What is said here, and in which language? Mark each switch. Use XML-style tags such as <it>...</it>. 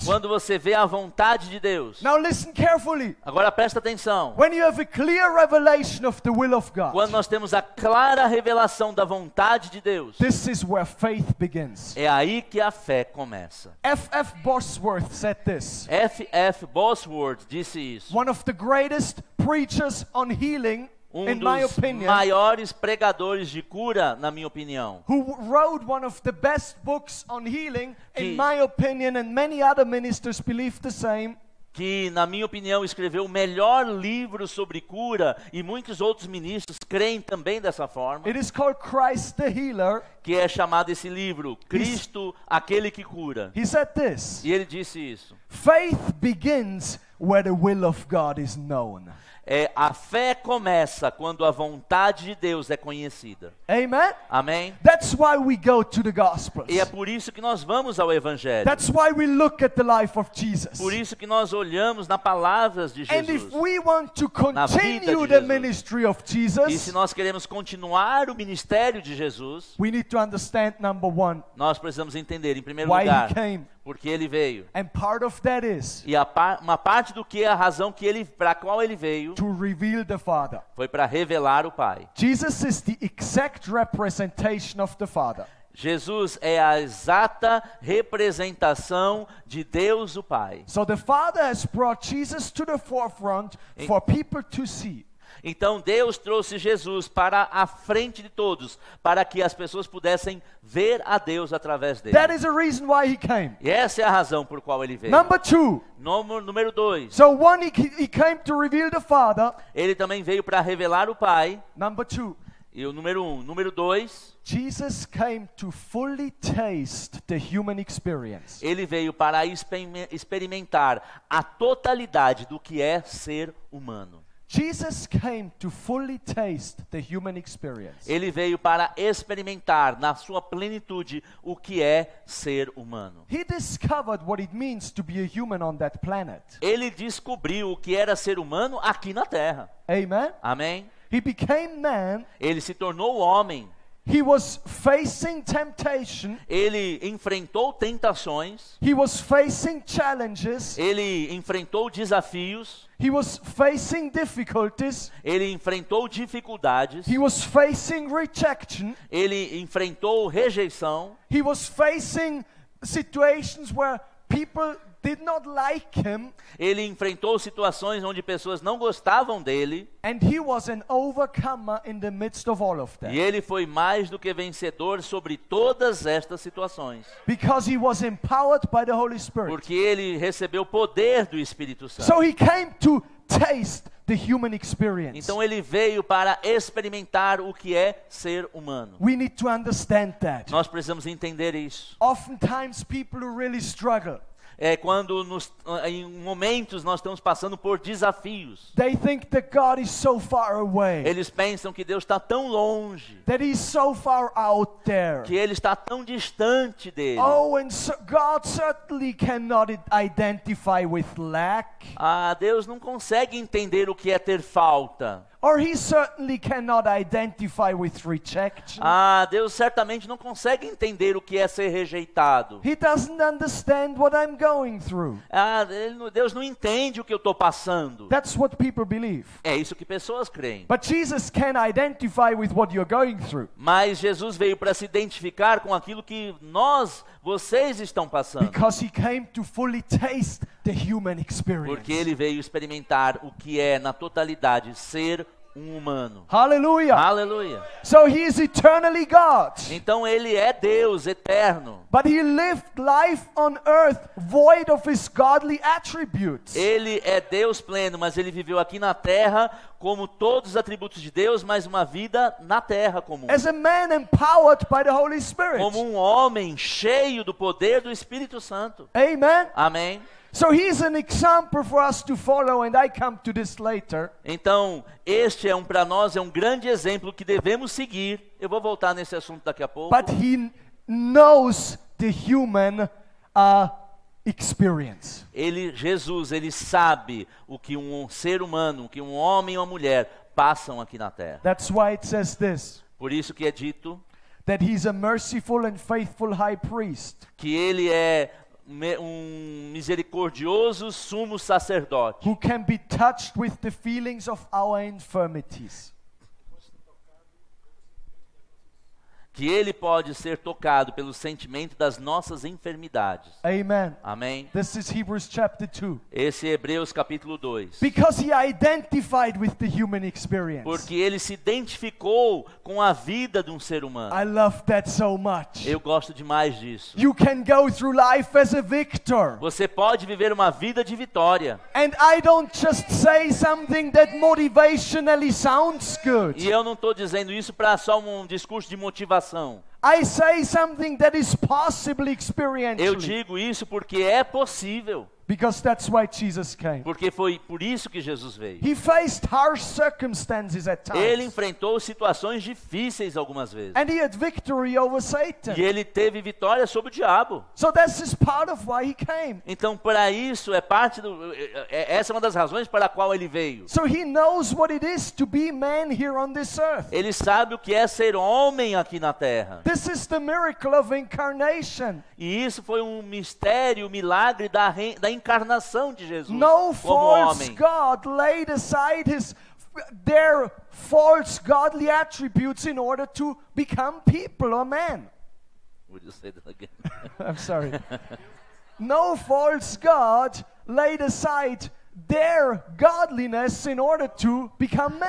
<pt>Quando você vê a vontade de Deus.</pt> <en>Now listen carefully.</en> <pt>Agora presta atenção.</pt> <en>When you have a clear revelation of the will of God.</en> <pt>Quando nós temos a clara revelação da vontade de Deus.</pt> <en>This is where faith begins.</en> <pt>É aí que a fé começa.</pt> <en>F.F. Bosworth said this.</en> <pt>F.F. Bosworth disse isso.</pt> <en>One of the greatest preachers on healing, in my opinion,</en> <pt>dos maiores pregadores de cura, na minha opinião,</pt> <en>who wrote one of the best books on healing, in my opinion, and many other ministers believe the same.</en> <pt>Que, na minha opinião, escreveu o melhor livro sobre cura, e muitos outros ministros creem também dessa forma.</pt> <en>It is called Christ the Healer.</en> <pt>Que é chamado esse livro, Cristo, aquele que cura.</pt> <en>He said this.</en> <pt>E ele disse isso.</pt> <en>Faith begins where the will of God is known.</en> <pt>É, a fé começa quando a vontade de Deus é conhecida.</pt> <en>Amen.</en> <pt>Amém.</pt> <en>That's why we go to the Gospels.</en> <pt>E é por isso que nós vamos ao Evangelho.</pt> <en>That's why we look at the life of Jesus.</en> <pt>Por isso que nós olhamos nas palavras de Jesus.</pt> <en>And if we want to continue the ministry of Jesus,</en> <pt>e se nós queremos continuar o ministério de Jesus,</pt> <en>we need to understand number one.</en> <pt>Nós precisamos entender em primeiro</pt> <en>why</en> <pt>lugar.</pt> <en>He came.</en> <pt>Porque ele veio.</pt> <en>And part of that is,</en> <pt>e uma parte do que é a razão que ele, para a qual ele veio,</pt> <en>to reveal the Father.</en> <pt>Foi para revelar o Pai.</pt> <en>Jesus is the exact representation of the Father.</en> <pt>Jesus é a exata representação de Deus o Pai.</pt> <en>So the Father has brought Jesus to the forefront for people to see.</en> <pt>Então Deus trouxe Jesus para a frente de todos, para que as pessoas pudessem ver a Deus através dele.</pt> <en>That is a reason why he came.</en> <pt>E essa é a razão por qual ele veio.</pt> <en>Number two.</en> <pt>Número dois.</pt> <en>So one, he came to reveal the Father.</en> <pt>Ele também veio para revelar o Pai.</pt> <en>Number two.</en> <pt>E o número um. Número dois.</pt> <en>Jesus came to fully taste the human experience.</en> <pt>Ele veio para experimentar a totalidade do que é ser humano.</pt> <en>Jesus came to fully taste the human experience.</en> <pt>Ele veio para experimentar na sua plenitude o que é ser humano.</pt> <en>He discovered what it means to be a human on that planet.</en> <pt>Ele descobriu o que era ser humano aqui na Terra.</pt> <en>Amen.</en> <pt>Amém.</pt> <en>He became man.</en> <pt>Ele se tornou homem.</pt> <en>He was facing temptation.</en> <pt>Ele enfrentou tentações.</pt> <en>He was facing challenges.</en> <pt>Ele enfrentou desafios.</pt> <en>He was facing difficulties.</en> <pt>Ele enfrentou dificuldades.</pt> <en>He was facing rejection.</en> <pt>Ele enfrentou rejeição.</pt> <en>He was facing situations where people did not like him.</en> <pt>Ele enfrentou situações onde pessoas não gostavam dele.</pt> <en>And he was an overcomer in the midst of all of that.</en> <pt>E ele foi mais do que vencedor sobre todas estas situações.</pt> <en>Because he was empowered by the Holy Spirit.</en> <pt>Porque ele recebeu poder do Espírito Santo.</pt> <en>So he came to taste the human experience.</en> <pt>Então ele veio para experimentar o que é ser humano.</pt> <en>We need to understand that.</en> <pt>Nós precisamos entender isso.</pt> <en>Oftentimes people who really struggle.</en> <pt>É quando nos, em momentos nós estamos passando por desafios.</pt> <en>They think that God is so far away.</en> <pt>Eles pensam que Deus está tão longe.</pt> <en>That he's so far out there.</en> <pt>Que Ele está tão distante dele.</pt> <en>Oh, and so God certainly cannot identify with lack.</en> <pt>Ah, Deus não consegue entender o que é ter falta.</pt> <en>Or he certainly cannot identify with rejection.</en> <pt>Ah, Deus certamente não consegue entender o que é ser rejeitado.</pt> <en>He doesn't understand what I'm going through.</en> <pt>Ah, Deus não entende o que eu estou passando.</pt> <en>That's what people believe.</en> <pt>É isso que pessoas creem.</pt> <en>But Jesus can identify with what you're going through.</en> <pt>Mas Jesus veio para se identificar com aquilo que nós, vocês estão passando.</pt> <en>Because he came to fully taste the human experience.</en> <pt>Porque ele veio experimentar o que é na totalidade ser um humano. Aleluia. Aleluia.</pt> <en>So he is eternally God.</en> <pt>Então ele é Deus eterno.</pt> <en>But he lived life on earth void of his godly attributes.</en> <pt>Ele é Deus pleno, mas ele viveu aqui na terra como todos os atributos de Deus, mas uma vida na terra comum.</pt> <en>As a man empowered by the Holy Spirit.</en> <pt>Como um homem cheio do poder do Espírito Santo.</pt> <en>Amen.</en> <pt>Amém.</pt> <en>So he's an example for us to follow, and I come to this later.</en> <pt>Então, este é um para nós, é um grande exemplo que devemos seguir. Eu vou voltar nesse assunto daqui a pouco.</pt> <en>But he knows the human experience.</en> <pt>Ele, Jesus, ele sabe o que um ser humano, o que um homem ou uma mulher passam aqui na terra.</pt> <en>That's why it says this.</en> <pt>Por isso que é dito</pt> <en>that he's a merciful and faithful high priest.</en> <pt>Que ele é um misericordioso sumo sacerdote.</pt> <en>Who can be touched with the feelings of our infirmities.</en> <pt>Que ele pode ser tocado pelo sentimento das nossas enfermidades.</pt> <en>Amen.</en> <pt>Amém.</pt> <en>This is Hebrews chapter 2.</en> <pt>Esse é Hebreus capítulo 2.</pt> <en>Because he identified with the human experience.</en> <pt>Porque ele se identificou com a vida de um ser humano.</pt> <en>I love that so much.</en> <pt>Eu gosto demais disso.</pt> <en>You can go through life as a victor.</en> <pt>Você pode viver uma vida de vitória.</pt> <en>And I don't just say something that motivationally sounds good.</en> <pt>E eu não estou dizendo isso para só um discurso de motivação.</pt> <en>I say something that is possibly experiential.</en> <pt>Eu digo isso porque é possível.</pt> <en>Because that's why Jesus came.</en> <pt>Porque foi por isso que Jesus veio.</pt> <en>He faced harsh circumstances at times.</en> <pt>Ele enfrentou situações difíceis algumas vezes.</pt> <en>And he had victory over Satan.</en> <pt>E ele teve vitória sobre o diabo.</pt> <en>So this is part of why he came.</en> <pt>Então para isso é parte do essa é uma das razões para a qual ele veio.</pt> <en>So he knows what it is to be man here on this earth.</en> <pt>Ele sabe o que é ser homem aqui na terra.</pt> <en>This is the miracle of incarnation.</en> <pt>E isso foi um mistério, um milagre da a encarnação de Jesus.</pt> <en>No false</en> <pt>homem.</pt> <en>God laid aside his their false godly attributes in order to become people or man. Would you say that again? I'm sorry. No false God laid aside their godliness in order to become man.</en>